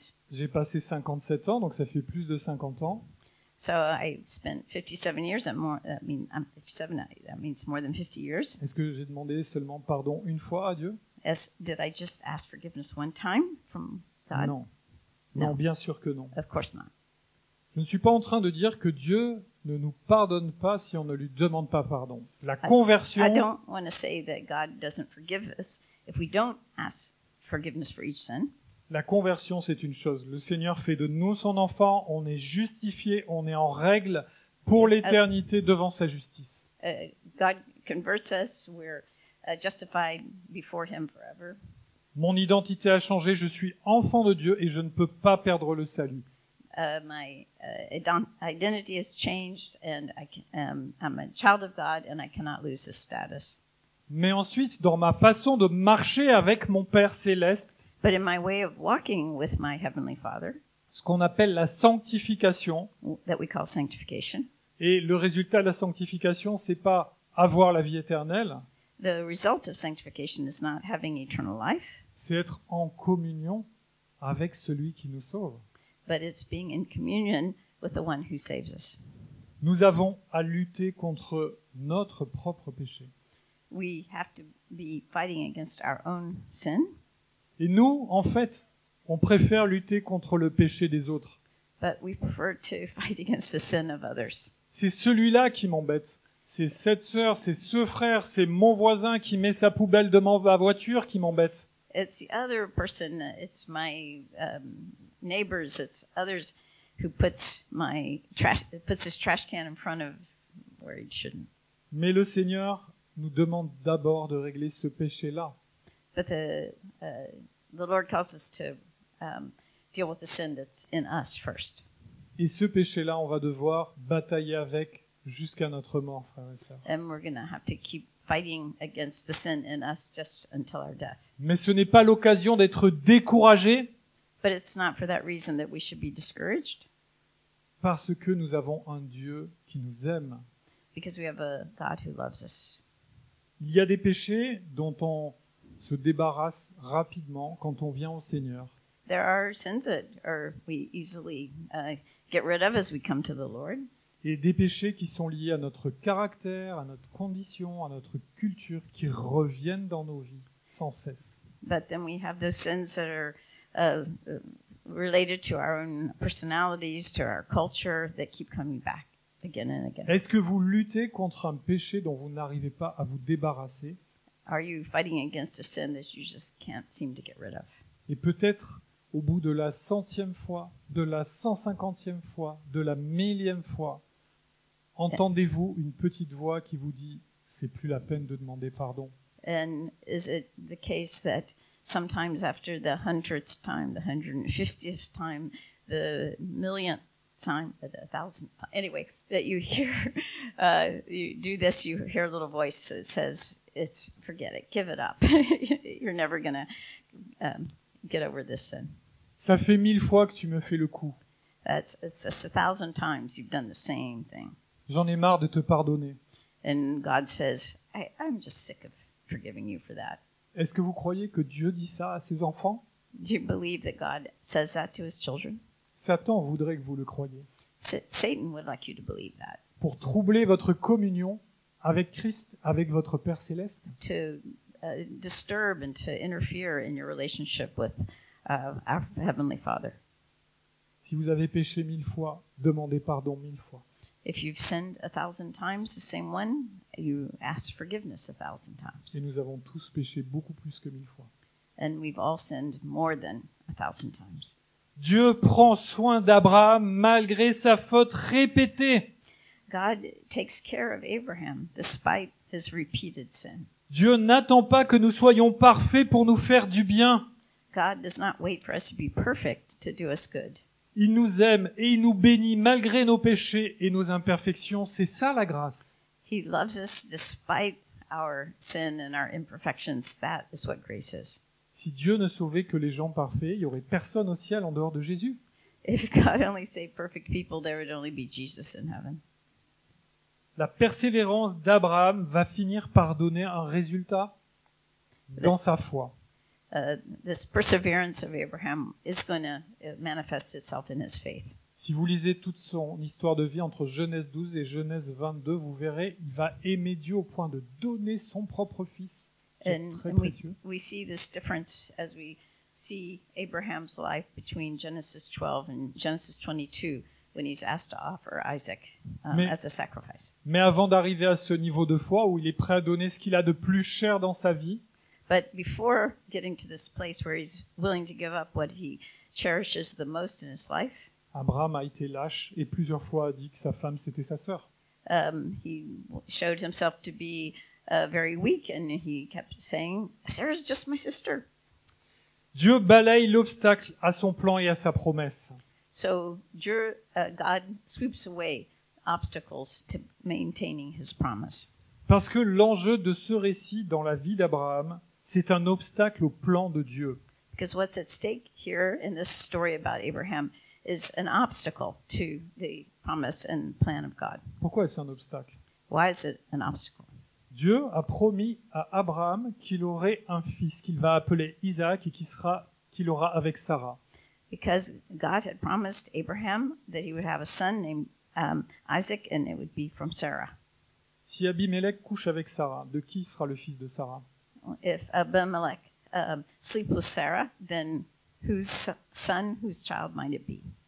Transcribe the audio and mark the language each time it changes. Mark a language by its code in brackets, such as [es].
[fr] J'ai passé 57 ans, donc ça fait plus de 50 ans. [en] So I spent 57 years and more. I mean, I'm 57. That means more than 50 years. [fr] Est-ce que j'ai demandé seulement pardon une fois à Dieu? [en] Did I just ask forgiveness one time from God? [fr] Non. Non, bien sûr que non. [en] Of course not. [fr] Je ne suis pas en train de dire que Dieu ne nous pardonne pas si on ne lui demande pas pardon. La conversion. [en] I don't want to say that God doesn't forgive us if we don't ask forgiveness for each sin. [fr] La conversion, c'est une chose. Le Seigneur fait de nous son enfant, on est justifié, on est en règle pour l'éternité devant sa justice. [en] God converts us, we're justified before him forever. [fr] Mon identité a changé, je suis enfant de Dieu et je ne peux pas perdre le salut. [en] My identity has changed and I'm a child of God and I cannot lose this status. [fr] Mais ensuite, dans ma façon de marcher avec mon Père céleste, [en] but in my way of walking with my heavenly Father, [fr] ce qu'on appelle la sanctification, [en] that we call sanctification, [fr] et le résultat de la sanctification, c'est pas avoir la vie éternelle. [en] The result of sanctification is not having eternal life. [fr] C'est être en communion avec celui qui nous sauve. [en] But it's being in communion with the one who saves us. [fr] Nous avons à lutter contre notre propre péché. [en] We have to be fighting against our own sin. [fr] Et nous, en fait, on préfère lutter contre le péché des autres. [en] But we prefer to fight against the sin of others. [fr] C'est celui-là qui m'embête. C'est cette sœur, c'est ce frère, c'est mon voisin qui met sa poubelle devant ma voiture qui m'embête. [en] It's the other person, it's my neighbors, it's others who puts his trash can in front of where it shouldn't. [fr] Mais le Seigneur nous demande d'abord de régler ce péché-là. [en] But the Lord calls us to deal with the sin that's in us first. [fr] Et ce péché-là, on va devoir batailler avec jusqu'à notre mort, frères et sœurs. [en] And we're gonna have to keep fighting against the sin in us just until our death. [fr] Mais ce n'est pas l'occasion d'être découragé. [en] But it's not for that reason that we should be discouraged. [fr] Parce que nous avons un Dieu qui nous aime. [en] Because we have a God who loves us. [fr] Il y a des péchés dont on se débarrasse rapidement quand on vient au Seigneur. [en] There are sins that are we easily get rid of as we come to the Lord. [fr] Et des péchés qui sont liés à notre caractère, à notre condition, à notre culture, qui reviennent dans nos vies sans cesse. [en] But then we have those sins that are related to our own personalities, to our culture, that keep coming back again and again. [fr] Est-ce que vous luttez contre un péché dont vous n'arrivez pas à vous débarrasser? [en] Are you fighting against a sin that you just can't seem to get rid of? [fr] Et peut-être au bout de la 100e fois, de la 150e fois, de la 1000e fois, entendez-vous une petite voix qui vous dit c'est plus la peine de demander pardon? [en] And is it the case that sometimes after the 100th time, the 150th time, the millionth time, the 1000th time, anyway, that you hear you do this, you hear a little voice that says it's forget it, give it up. You're never going to get over this sin. [fr] Ça fait 1000 fois que tu me fais le coup. [en] It's 1000 times you've done the same thing. [fr] J'en ai marre de te pardonner. [en] And God says, I'm just sick of forgiving you for that. [fr] Est-ce que vous croyez que Dieu dit ça à ses enfants? [en] Do you believe that God says that to his children? [fr] Satan voudrait que vous le croyiez. [en] Satan would like you to believe that. [fr] Pour troubler votre communion avec Christ, avec votre Père céleste. [en] To disturb and to interfere in your relationship with our heavenly Father. [fr] Si vous avez péché 1000 fois, demandez pardon 1000 fois. [en] If you've sinned 1000 times, the same one, you ask forgiveness 1000 times. [fr] Et nous avons tous péché beaucoup plus que 1000 fois. [en] And we've all sinned more than 1000 times. [fr] Dieu prend soin d'Abraham malgré sa faute répétée. [en] God takes care of Abraham despite his repeated sin. [fr] Dieu n'attend pas que nous soyons parfaits pour nous faire du bien. [en] God does not wait for us to be perfect to do us good. [fr] Il nous aime et il nous bénit malgré nos péchés et nos imperfections. C'est ça la grâce. [en] He loves us despite our sin and our imperfections. That is what grace is. [fr] Si Dieu ne sauvait que les gens parfaits, il n'y aurait personne au ciel en dehors de Jésus. [en] If God only saved perfect people, there would only be Jesus in heaven. [fr] La persévérance d'Abraham va finir par donner un résultat dans sa foi. [en] This perseverance of Abraham is going to manifest itself in his faith. [fr] Si vous lisez toute son histoire de vie entre Genèse 12 et Genèse 22, vous verrez, il va aimer Dieu au point de donner son propre fils, qui est très précieux. [en] We see this difference as we see Abraham's life between Genesis 12 and Genesis 22. When he's asked to offer Isaac, as a sacrifice. [fr] Mais avant d'arriver à ce niveau de foi où il est prêt à donner ce qu'il a de plus cher dans sa vie, [en] but before getting to this place where he's willing to give up what he cherishes the most in his life, [fr] Abraham a été lâche et plusieurs fois a dit que sa femme c'était sa sœur. [en] He showed himself to be very weak and he kept saying, Sarah's just my sister. [fr] Dieu balaye l'obstacle à son plan et à sa promesse. [en] So God sweeps away obstacles to maintaining his promise. [fr] Parce que l'enjeu de ce récit dans la vie d'Abraham, c'est un obstacle au plan de Dieu. [en] Because what's at stake here in this story about Abraham is an obstacle to the promise and plan of God. [fr] Pourquoi est-ce un obstacle? [en] Why is it an obstacle? [fr] Dieu a promis à Abraham qu'il aurait un fils qu'il va appeler Isaac et qu'il aura avec Sarah. [en] Because God had promised Abraham that he would have a son named Isaac and it would be from Sarah. [fr] Si Abimelech couche avec Sarah, de qui sera le fils de Sarah? [en] If Abimelech sleeps with Sarah, then whose son, whose child might it be?